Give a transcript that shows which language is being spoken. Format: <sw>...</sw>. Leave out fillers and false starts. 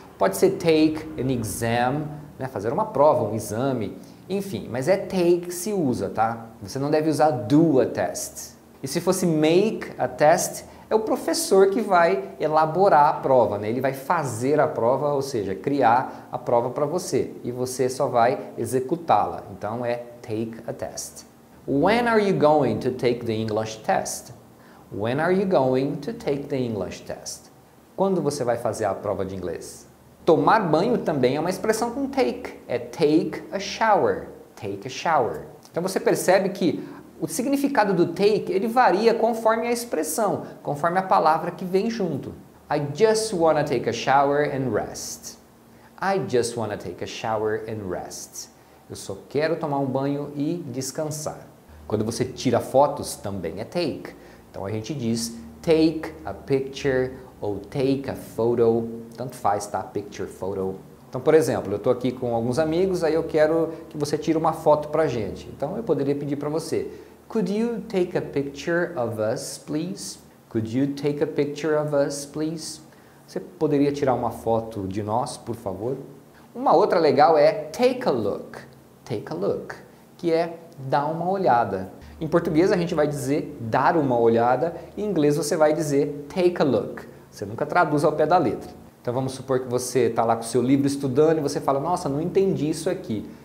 <pt>Pode ser take an exam, né? Fazer uma prova, um exame, enfim, mas é take se usa, tá? Você não deve usar do a test. E se fosse make a test, é o professor que vai elaborar a prova, né? Ele vai fazer a prova, ou seja, criar a prova para você e você só vai executá-la. Então é take a test.</pt> <en>When are you going to take the English test? When are you going to take the English test?</en> <pt>Quando você vai fazer a prova de inglês? Tomar banho também é uma expressão com take. É take a shower. Take a shower. Então você percebe que O significado do take, ele varia conforme a expressão, conforme a palavra que vem junto.</pt> <en>I just wanna take a shower and rest. I just wanna take a shower and rest.</en> <pt>Eu só quero tomar um banho e descansar. Quando você tira fotos, também é take. Então a gente diz take a picture ou take a photo. Tanto faz, tá? Picture, photo. Então, por exemplo, eu tô aqui com alguns amigos, aí eu quero que você tire uma foto pra gente. Então eu poderia pedir pra você:</pt> <en>could you take a picture of us, please? Could you take a picture of us, please?</en> <pt>Você poderia tirar uma foto de nós, por favor? Uma outra legal é take a look, que é dar uma olhada. Em português a gente vai dizer dar uma olhada, em inglês você vai dizer take a look. Você nunca traduz ao pé da letra. Então vamos supor que você está lá com o seu livro estudando e você fala, nossa, não entendi isso aqui.</pt>